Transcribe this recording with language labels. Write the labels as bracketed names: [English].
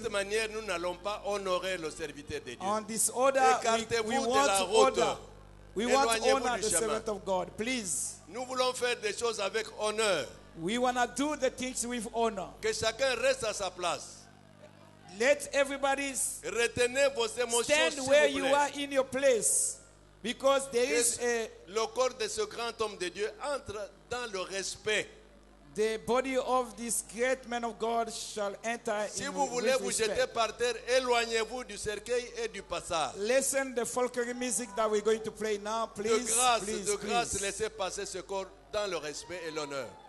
[French] De cette manière, nous n'allons pas honorer le serviteur de Dieu. [English] On this order, [French] écartez-vous [English] we want [French] de la route. [English] Order. We want to honor the servant of God, please. [French] Nous voulons faire des choses avec honneur. [English] We want to do the things with honor. [French] Que chacun reste à sa place. [English] Let everybody [French] retenez vos émotions, [English] stand where you are in your place. Because there is a [French] le corps de ce grand homme de Dieu entre dans le respect. [English] The body of this great man of God shall enter [French] si [English] in [French] vous voulez vous [English] respect. [French] Jeter par terre, éloignez-vous du cercueil et du passage. [English] Listen the folklore music that we're going to play now, please. [French] De grâce, [English] please, [French] de grâce, [English] please. [French] Laissez passer ce corps dans le respect et l'honneur.